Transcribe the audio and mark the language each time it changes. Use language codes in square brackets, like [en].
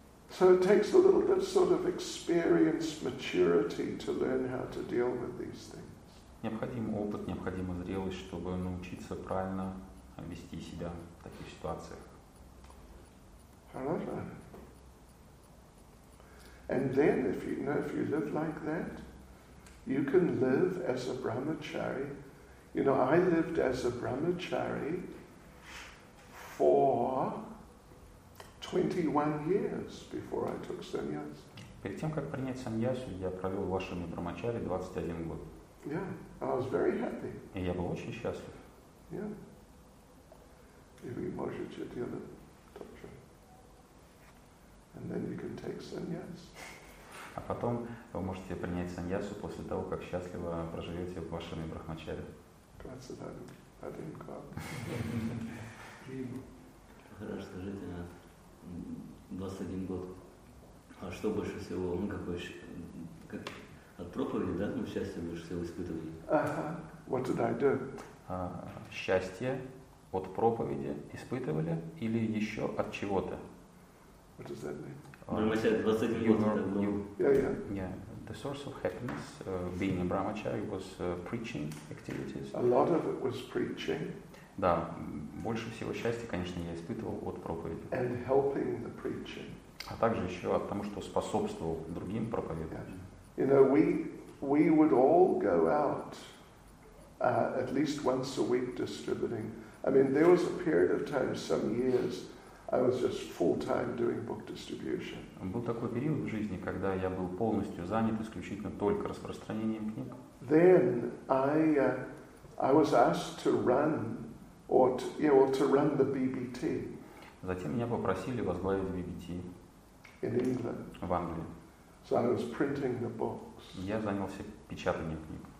[en] So it takes a little bit sort of experience, maturity to learn how to deal with these things. [ru] Необходим опыт, необходима зрелость, чтобы научиться правильно вести себя в таких ситуациях. Хорошо. [en] And then, if you live like that, you can live as a brahmachari. You know, I lived as a brahmachari for 21 years before I took sannyas. [ru] Перед тем, как принять саньясу, я провел в вашем брамачаре 21 год. [en] Yeah, I was very happy. [ru] И я был очень счастлив. Yeah. И вы можете делать то же. [en] And then you can take sannyas. [ru] А потом вы можете принять саньясу после того, как счастливо проживете в вашем брахмачаре. 21 год. Хорошо, скажите, 21 год. А что больше всего, ну какой еще, как, от проповеди, да, ну счастье больше всего испытывали? [en] Uh-huh. What did I do? [ru] Счастье от проповеди испытывали или еще от чего-то? [en] What does that mean? [ru] Брамачари 21 год это был. [en] The source of happiness being a brahmachari was preaching activities. A lot of it was preaching. [ru] Да, больше всего счастья, конечно, я испытывал от проповеди. [en] And helping the preaching. [ru] А также еще от того, что способствовал другим проповедовать. [en] Yeah. You know, we would all go out at least once a week distributing. I mean, there was a period of time, some years, I was just full-time doing book distribution. [ru] Был такой период в жизни, когда я был полностью занят исключительно только распространением книг. [en] Then I was asked to run to run the BBT. [ru] Затем меня попросили возглавить BBT. [en] In England. [ru] В Англии. [en] So I was printing the books. [ru] Я занялся печатанием книг.